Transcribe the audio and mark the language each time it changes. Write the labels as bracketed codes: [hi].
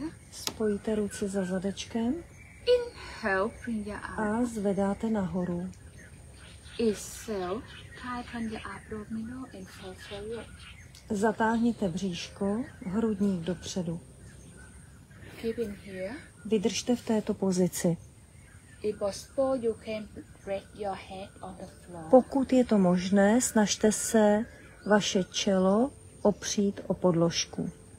[cs] Spojíte ruce za zadečkem. [en] Inhale, bring your arm. [cs] A zvedáte nahoru. [en] Exhale, tighten on your abdominal and fall forward. [cs] Zatáhněte bříško, hrudník dopředu. [en] Keep in here. [cs] Vydržte v této pozici. [en] If possible, you can rest your head on the floor. [cs] Pokud je to možné, snažte se vaše čelo opřít o podložku.